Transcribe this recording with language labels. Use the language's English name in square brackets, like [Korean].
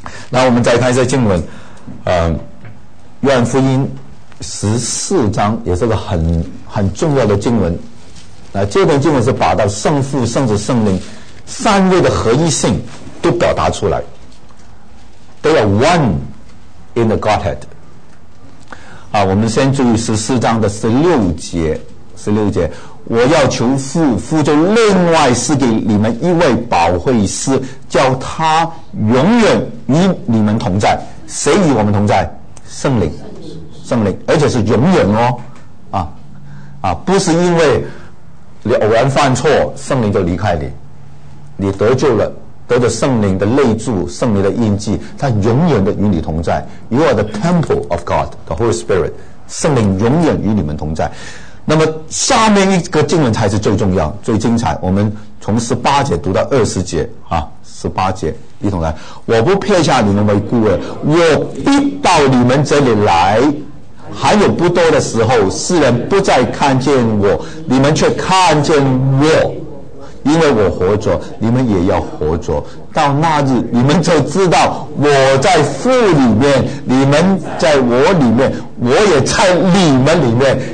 [Chinese] 那我们再看一下经文，约翰福音十四章也是个很重要的经文。那这段经文是把到圣父、圣子、圣灵三位的合一性都表达出来。 [English] They are one in the Godhead。 [Chinese] 啊，我们先注意十四章的十六节，十六节，我要求父，父就另外赐给你们一位保惠师，叫他永远与你们同在。谁与我们同在？圣灵。圣灵，而且是永远哦，不是因为你偶然犯错，圣灵就离开你，你得救了，得着圣灵的内住，圣灵的印记，他永远的与你同在。 [English] You are the temple of God, the Holy Spirit, [Chinese] 圣灵永远与你们同在。那么下面一个经文才是最重要、最精彩，我们从十八节读到二十节啊。十八节一同来，我不撇下你们为孤儿，我必到你们这里来，还有不多的时候，世人不再看见我，你们却看见我，因为我活着，你们也要活着，到那日你们就知道我在父里面，你们在我里面，我也在你们里面。